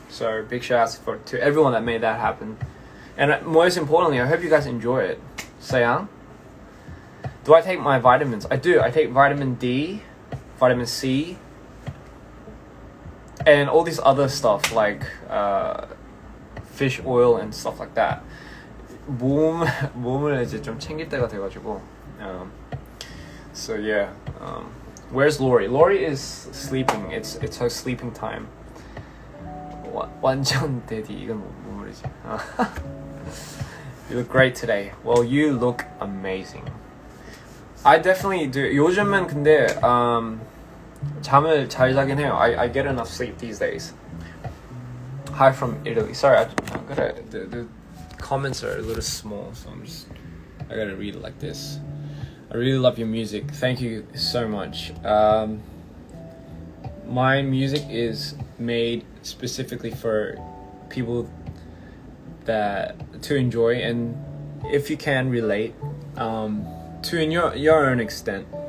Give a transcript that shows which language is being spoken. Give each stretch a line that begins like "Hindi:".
English: So big shout out to everyone that made that happen. And most importantly, I hope you guys enjoy it. Sayang? Do I take my vitamins? I do. I take vitamin D, vitamin C, and all these other stuff like fish oil and stuff like that.
Korean: 몸을 이제 좀 챙길 때가 돼가지고.
English: So yeah. Where's Lori? Lori is sleeping. It's her sleeping time.
Korean: 완전 대디 이건 뭔 말이지?
English: You look great today. Well, you look amazing. I definitely do.
Korean: 요즘은 근데 잠을 잘 자긴 해요.
English: I get enough sleep these days. Hi from Italy. Sorry, I'm gonna comments are a little small, so I gotta read it like this. I really love your music. Thank you so much. My music is made specifically for people that to enjoy, and if you can relate, to in your own extent.